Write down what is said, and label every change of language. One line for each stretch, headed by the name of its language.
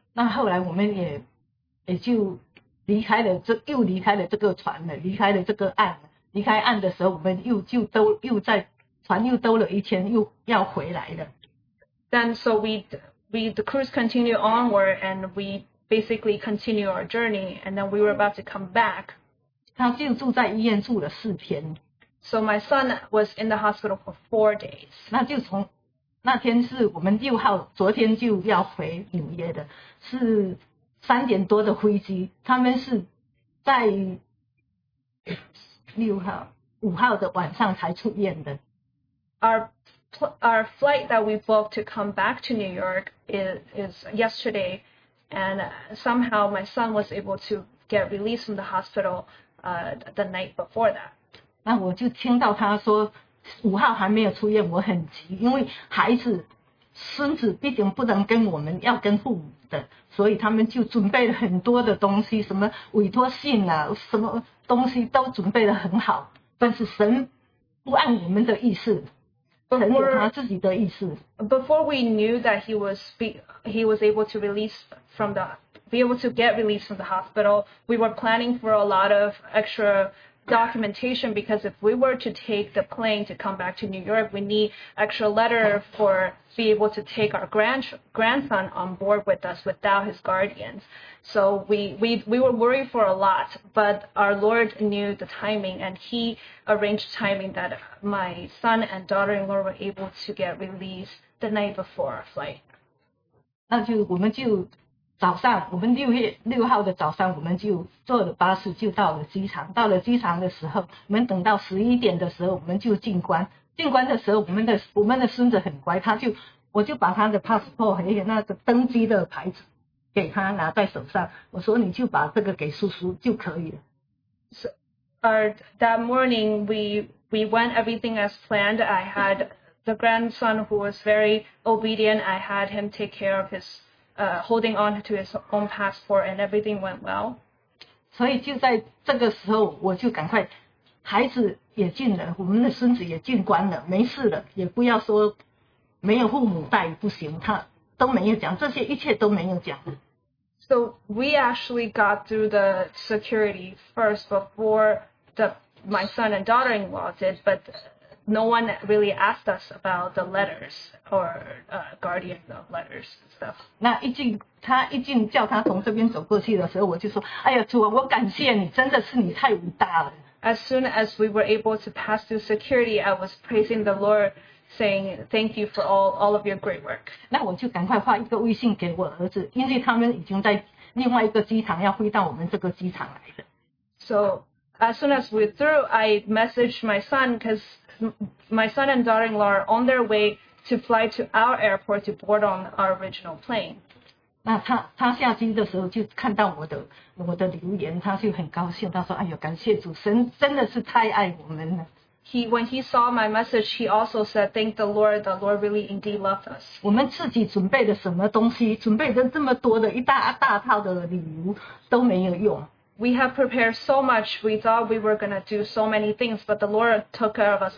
Chinese: 那后来我们也就离开了这又离开了这个船了，离开了这个岸。离开岸的时候，我们又就兜又在船又兜了一圈，又要回来了。
English: Then so we the cruise continued onward and we basically continue our journey and then we were about to come back.
Chinese: 他就住在医院住了四天。
English: So my son was in the hospital for 4 days.
Chinese: 那就从那天是我们六号，昨天就要回纽约的，是。三点多的飞机，他们是在六号、五号的晚上才出院的。
English: Our flight that we booked to come back to New York is yesterday, and somehow my son was able to get released from the hospital the night before that.
Chinese: 那我就听到他说五号还没有出院，我很急，因为孩子。孙子毕竟不能跟我们要跟父母的，所以他们就准备了很多的东西，什么委托信啊，什么东西都准备得很好，但是神不按我们的意思，神有他自己的意思。
English: Before we knew that he was able to release from the be able to get released from the hospital, we were planning for a lot of extra documentation because if we were to take the plane to come back to New York, we need extra letter for be able to take our grandson on board with us without his guardians. So we were worried for a lot, but our Lord knew the timing and he arranged timing that my son and daughter-in-law were able to get released the night before our flight.
Chinese: 那就我们就早上，我们六号的早上，我们就坐了巴士就到了机场。到了机场的时候，我们等到11点的时候，我们就进关。进关的时候，我们的孙子很乖，我就把他的 passport 还有那个登机的牌子给他拿在手上，我说你就把这个给叔叔就可以了。
English: So, that morning we went everything as planned. I had the grandson who was very obedient. I had him take care of his holding on to his own passport, and everything went well.
Chinese: 所以就在这个时候，我就赶快。孩子也进了，我们的孙子也进关了，没事了，也不要说没有父母带不行，他都没有讲，这些一切都没有讲。
English: So we actually got through the security first before my son and daughter-in-law did, but no one really asked us about the letters or guardian of letters and stuff.
Chinese: 那他一进叫他从这边走过去的时候，我就说，哎呀，主啊，我感谢你，真的是你太伟大了。
English: As soon as we were able to pass through security, I was praising the Lord, saying thank you for all of your great work.
Chinese: 那我就赶快发一个微信给我儿子，因为他们已经在另外一个机场要飞到我们这个机场来的。
English: So as soon as we're through, I messaged my son because my son and daughter-in-law are on their way to fly to our airport to board on our original plane.
Chinese: 那他下机的时候就看到我的留言，他就很高兴，他说：“哎呦，感谢主，神真的是太爱我们了。”
English: When he saw my message, he also said, "Thank the Lord. The Lord really indeed loved us."
Chinese: 我们自己准备的什么东西，准备的这么多的一大套的礼物都没有用。
English: We have prepared so much. We thought we were going to do so many things, but the Lord took care of us.